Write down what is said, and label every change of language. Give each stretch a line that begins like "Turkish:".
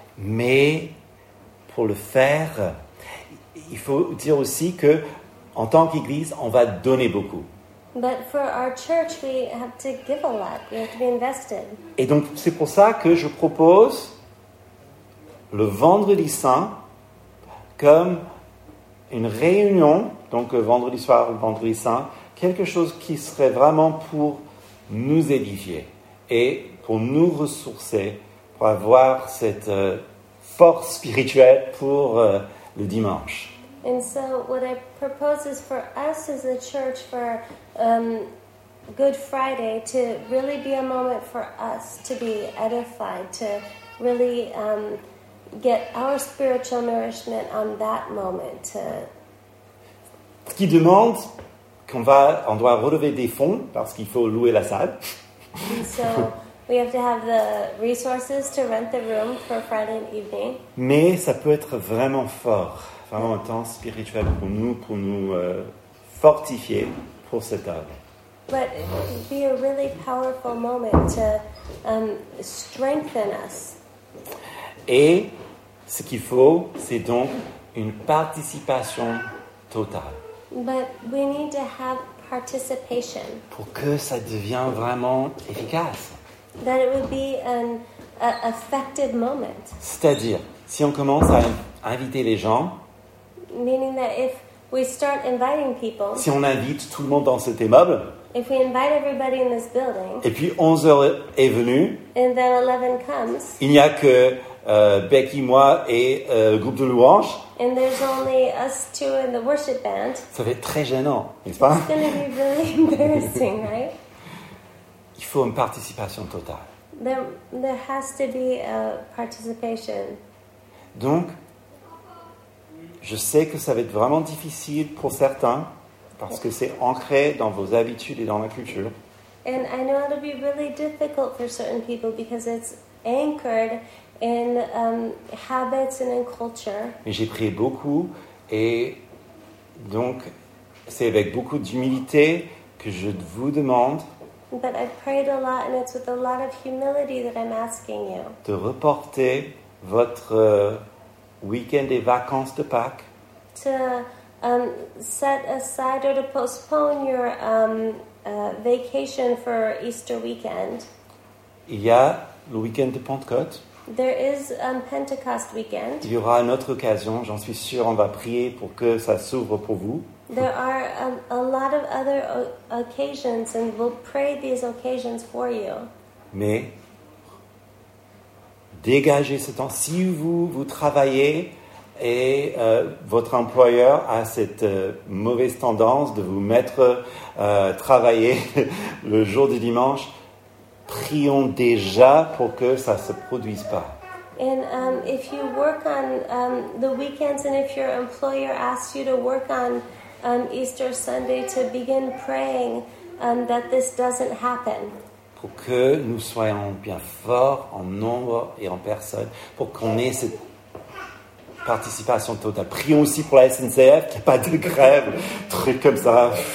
French: Mais pour le faire, il faut dire aussi que en tant qu'église, on va donner beaucoup.
English: But for our church, we have to give a lot. We have to be invested.
French: Et donc, c'est pour ça que je propose le Vendredi Saint comme une réunion, donc vendredi soir, le Vendredi Saint, quelque chose qui serait vraiment pour nous édifier et pour nous ressourcer, pour avoir cette force spirituelle pour le dimanche.
English: And so what I propose is for us as a church for Good Friday to really be a moment for us to be edified, to really get our spiritual nourishment on that moment.
French: Ce qui demande qu'on va, on doit relever des fonds parce qu'il faut louer la salle.
English: And so we have to have the resources to rent the room for Friday evening.
French: Mais ça peut être vraiment fort. Vraiment un temps spirituel pour nous fortifier pour cette œuvre.
English: But it would be a really powerful moment to strengthen us.
French: Et ce qu'il faut, c'est donc une participation totale.
English: But we need to have participation.
French: Pour que ça devienne vraiment efficace.
English: That it would be an effective moment.
French: C'est-à-dire, si on commence à inviter les gens.
English: Meaning that if we start inviting people,
French: si on invite tout le monde dans cet immeuble,
English: if we invite everybody in this building,
French: et puis 11h est venue,
English: and then 11 comes,
French: il n'y a que Becky, moi et le groupe de louange,
English: and there's only us two in the worship band,
French: ça va être très gênant, n'est-ce pas?
English: It's going to be really embarrassing, right?
French: Il faut une participation totale.
English: There has to be a participation.
French: Donc, je sais que ça va être vraiment difficile pour certains parce que c'est ancré dans vos habitudes et dans la culture.
English: And I know it'll be really difficult for certain people because it's anchored in habits and in culture.
French: Mais j'ai prié beaucoup et donc c'est avec beaucoup d'humilité que je vous demande.
English: But I've prayed a lot and it's with a lot of humility that I'm asking you.
French: De reporter votre week-end et vacances de Pâques.
English: To set aside or to postpone your vacation for Easter weekend.
French: Il y a le week-end de Pentecôte.
English: There is Pentecost weekend.
French: Il y aura une autre occasion, j'en suis sûr, on va prier pour que ça s'ouvre pour vous.
English: There are a lot of other occasions and we'll pray these occasions for you.
French: Mais dégagez ce temps. Si vous, vous travaillez et votre employeur a cette mauvaise tendance de vous mettre travailler le jour du dimanche, prions déjà pour que ça ne se produise pas.
English: And if you work on the weekends and if your employer asks you to work on Easter Sunday to begin praying that this doesn't happen.
French: Pour que nous soyons bien forts en nombre et en personne, pour qu'on ait cette participation totale. Prions aussi pour la SNCF, qu'il n'y ait pas de grève, trucs comme ça.